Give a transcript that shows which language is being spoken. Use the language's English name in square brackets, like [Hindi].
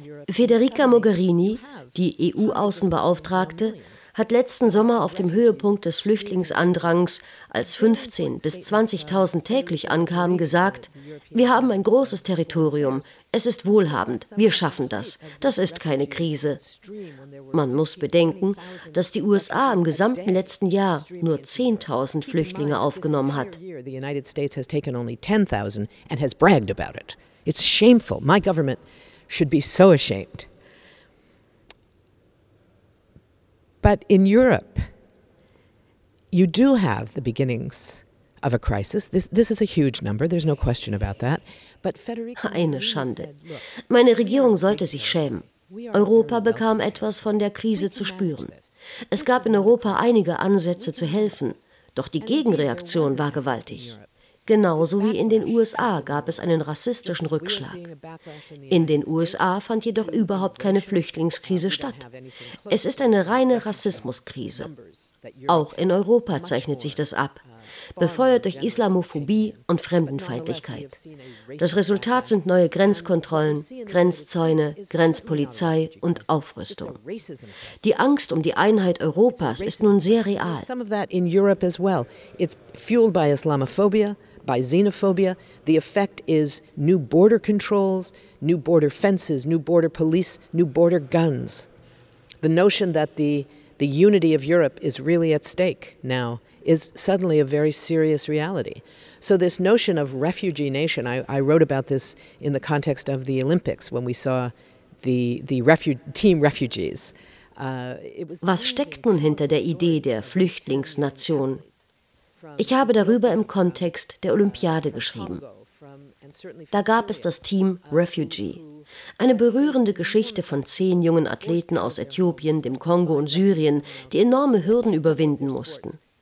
[German] Federica Mogherini, die EU-Außenbeauftragte, hat letzten Sommer auf dem Höhepunkt des Flüchtlingsandrangs, als 15.000 bis 20.000 täglich ankamen, gesagt: Wir haben ein großes Territorium. Es ist wohlhabend. Wir schaffen das. Das ist keine Krise. Man muss bedenken, dass die USA im gesamten letzten Jahr nur 10.000 Flüchtlinge aufgenommen hat. [English] The United States has taken only 10,000 and has bragged about it. It's shameful. My government should be so ashamed. But in Europe, you do have the beginnings of a crisis. This is a huge number. There's no question about that. But Federica, [German] eine Schande. Meine Regierung sollte sich schämen. Europa bekam etwas von der Krise zu spüren. Es gab in Europa einige Ansätze zu helfen, doch die Gegenreaktion war gewaltig. Genauso wie in den USA gab es einen rassistischen Rückschlag. In den USA fand jedoch überhaupt keine Flüchtlingskrise statt. Es ist eine reine Rassismuskrise. Auch in Europa zeichnet sich das ab, befeuert durch Islamophobie und Fremdenfeindlichkeit. Das Resultat sind neue Grenzkontrollen, Grenzzäune, Grenzpolizei und Aufrüstung. Die Angst um die Einheit Europas ist nun sehr real. [English] Some of that in Europe as well. It's fueled by Islamophobia, by xenophobia. The effect is new border controls, new border fences, new border police, new border guns. The notion that the unity of Europe is really at stake now is suddenly a very serious reality. So this notion of refugee nation, I wrote about this in the context of the Olympics when we saw the team refugees. [German] Was steckt nun hinter der Idee der Flüchtlingsnation? Ich habe darüber im Kontext der Olympiade geschrieben. Da gab es das Team Refugee. Eine berührende Geschichte von 10 jungen Athleten aus Äthiopien, dem Kongo und Syrien, die enorme Hürden überwinden mussten.